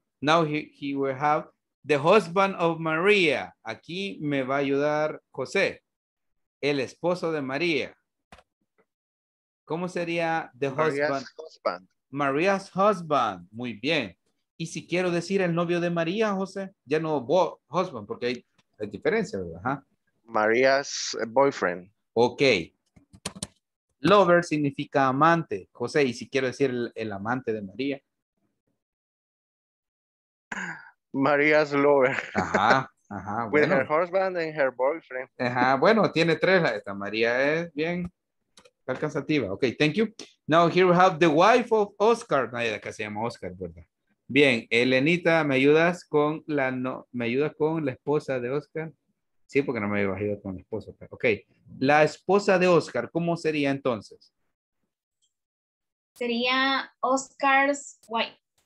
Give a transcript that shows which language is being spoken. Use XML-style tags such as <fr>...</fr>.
<en>Now he will have the husband of Maria.</en> <es>Aquí me va a ayudar José, el esposo de María. ¿Cómo sería</es> <en>the husband? Maria's husband. Maria's husband.</en> <es>Muy bien. Y si quiero decir el novio de María, José, ya no husband, porque hay diferencia, ¿verdad? ¿Ah?</es> <en>María's boyfriend. Ok.</en> <es>Lover significa amante, José. Y si quiero decir el amante de María.</es> <en>María's lover. Ajá, ajá.</en> <es>Bueno.</es> <en>With her husband and her boyfriend.</en> <es>Ajá, bueno, tiene tres. Esta María es bien alcanzativa.</es> <en>Ok, thank you. Now here we have the wife of Oscar.</en> <es>Nadie de acá se llama Oscar, ¿verdad? Bien, Elenita, ¿me ayudas con la no, me ayudas con la esposa de Oscar? Sí, porque no me había ido con la esposa. Ok. La esposa de Oscar, ¿cómo sería entonces? Sería</es> <en>Oscar's wife.</en>